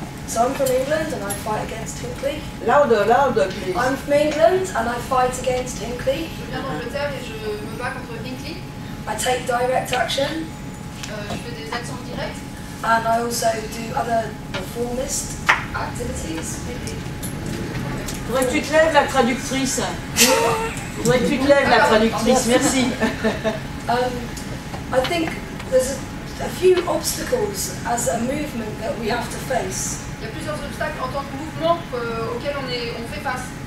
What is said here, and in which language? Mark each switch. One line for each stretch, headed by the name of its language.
English: So I'm from England and I fight against Hinckley. Louder, louder, please. I'm from England and I fight against Hinckley.
French: Je viens d'Angleterre et je me bats contre Hinckley.
English: I take direct action.
French: Je fais des actions directes.
English: And I also do other reformist activities.
French: Faudrait que tu te lèves, la traductrice. Faudrait que tu te lèves, la traductrice. Merci.
English: I think there's a few obstacles as a movement that we have to face.
French: Il y a plusieurs obstacles en tant que mouvement auxquels on fait face.